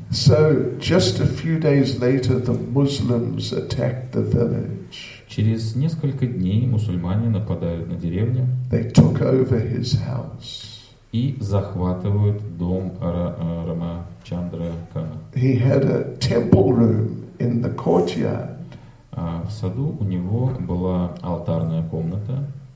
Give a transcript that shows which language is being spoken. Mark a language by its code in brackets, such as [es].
[en] So just a few days later the Muslims attacked the village. [ru] Через несколько дней мусульмане нападают на деревню. [en] They took over his house. [ru] И захватывают дом Рамачандра Кана. [en] He had a temple room in the courtyard. [ru] В саду у него была алтарная комната.